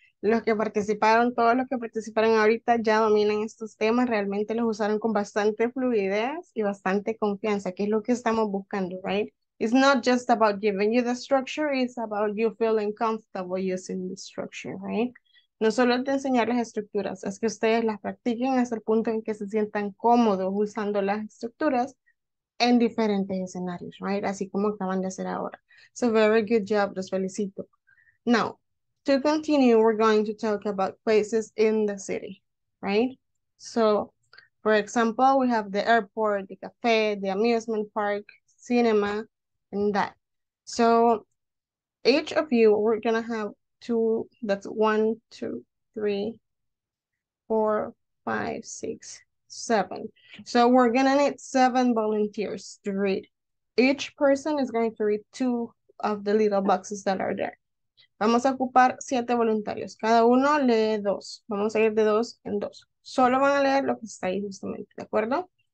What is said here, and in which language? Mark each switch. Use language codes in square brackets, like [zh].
[es] Los que participaron, todos los que participaron ahorita ya dominan estos temas. Realmente los usaron con bastante fluidez y bastante confianza, que es lo que estamos buscando, right? [en] It's not just about giving you the structure, it's about you feeling comfortable using the structure, right? [es] No solo es de enseñar las estructuras, es que ustedes las practiquen hasta el punto en que se sientan cómodos usando las estructuras en diferentes escenarios, right? Así como acaban de hacer ahora. [en] So, very good job, [es] los felicito. [en] Now, to continue, we're going to talk about places in the city, right? So, For example, we have the airport, the cafe, the amusement park, cinema, and that. So each of you, we're gonna have two, that's 1, 2, 3, 4, 5, 6, 7. So we're gonna need 7 volunteers to read. Each person is going to read 2 of the little boxes that are there. [es] Vamos a ocupar 7 voluntarios. Cada uno lee 2. Vamos a ir de 2 en 2. Solo van a leer lo que está ahí justamente, ¿de acuerdo?